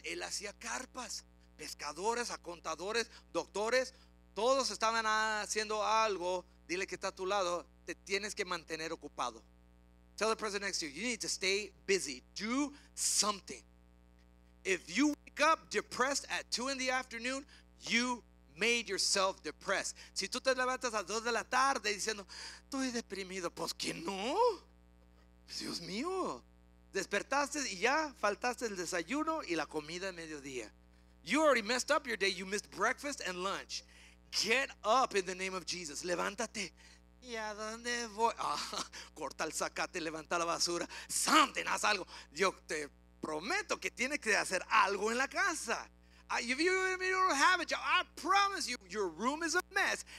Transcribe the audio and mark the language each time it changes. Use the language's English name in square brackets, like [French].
[Spanish] Él hacía carpas. Pescadores, contadores, doctores, todos estaban haciendo algo. Dile que está a tu lado. Te tienes que mantener ocupado. [English] Tell the person next to you, you need to stay busy. Do something. If you wake up depressed at 2 in the afternoon, you made yourself depressed. [Spanish] Si tú te levantas a 2 de la tarde diciendo, estoy deprimido, pues que no. Dios mío, despertaste y ya faltaste el desayuno y la comida a mediodía. [English] You already messed up your day. You missed breakfast and lunch. Get up in the name of Jesus. Levántate. [Spanish] ¿Y a dónde voy? Corta el zacate, levanta la basura. Something, haz algo. Yo te prometo que tienes que hacer algo en la casa. [English] If you don't have a job, I promise you, your room is a mess.